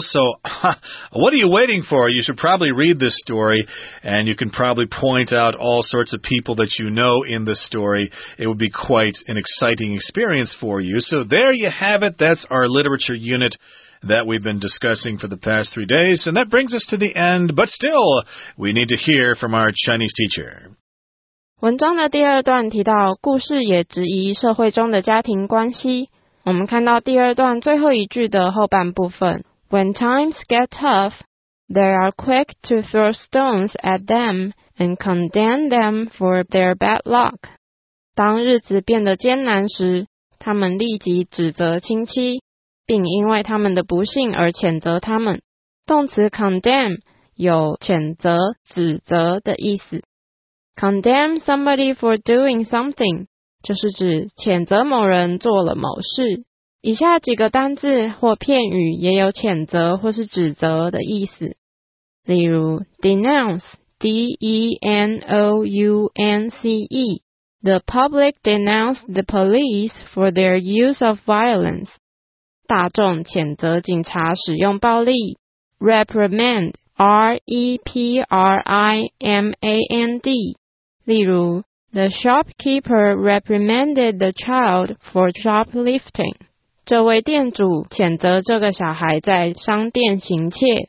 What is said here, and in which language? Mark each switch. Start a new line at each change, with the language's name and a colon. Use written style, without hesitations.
English: So what are you waiting for? You should probably read this story, and you can probably point out all sorts of people that you know in this story. It would be quite an exciting experience for you. So there you have it. That's our literature unit that we've been discussing for the past 3 days, and that brings us to the end. But still, we need to hear from our Chinese teacher.
Chinese: 文章的第二段提到，故事也质疑社会中的家庭关系。我们看到第二段最后一句的后半部分
English: ，When times get tough, they are quick to throw stones at them and condemn them for their bad luck.
Chinese: 当日子变得艰难时，他们立即指责亲戚。并因为他们的不幸而谴责他们。动词 condemn 有谴责、指责的意思。 condemn somebody for doing something 就是指谴责某人做了某事。以下几个单字或片语也有谴责或是指责的意思。
English: 例如 denounce, D-E-N-O-U-N-C-E The public denounced the police for their use of violence.
Chinese: 大众谴责警察使用暴力 Reprimand R-E-P-R-I-M-A-N-D 例如
English: The shopkeeper reprimanded the child for shoplifting
Chinese: 这位店主谴责这个小孩在商店行窃